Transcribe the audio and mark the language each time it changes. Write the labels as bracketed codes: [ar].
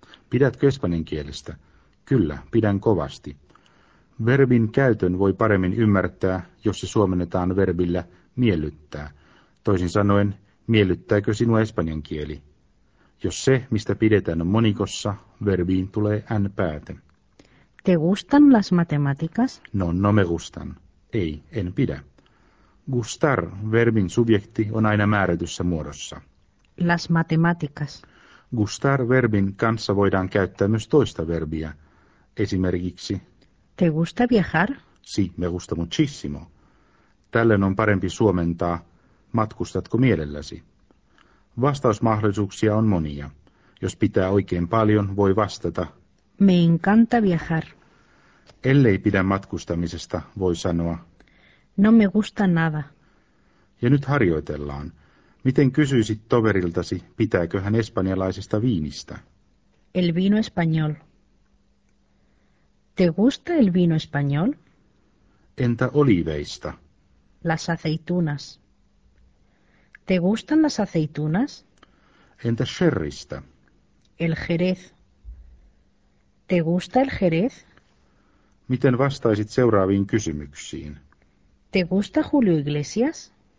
[fi] Pidätkö espanjan kielestä? Kyllä, pidän kovasti. Verbin käytön voi paremmin ymmärtää, jos se suomennetaan verbillä miellyttää. Toisin sanoen, miellyttääkö sinua espanjan kieli? Jos se, mistä pidetään, on monikossa, verbiin tulee n-pääte. [es] ¿Te gustan las matemáticas? No me gustan. [fi] Ei, en pidä. Gustar, verbin subjekti, on aina määrätyssä muodossa. [es] Las matemáticas. [fi] Gustar, verbin kanssa voidaan käyttää myös toista verbiä. Esimerkiksi... [es] ¿Te gusta viajar? Sí, me gusta muchísimo. [fi] Tällöin on parempi suomentaa, matkustatko mielelläsi. Vastausmahdollisuuksia on monia. Jos pitää oikein paljon, voi vastata... [es] Me encanta viajar. [fi] Ellei pidä matkustamisesta, voi sanoa... [es] No me gusta nada. [fi] Ja nyt harjoitellaan. Miten kysyisit toveriltasi, pitääkö hän espanjalaisesta viinistä? [es] El vino español. ¿Te gusta el vino español? [fi] Entä oliveista? [es] Las aceitunas. ¿Te gustan las aceitunas? [fi] Entä sherristä? [es] El jerez. ¿Te gusta el jerez? [fi] Miten vastaisit seuraaviin kysymyksiin? [es] ¿Te gusta Julio Iglesias?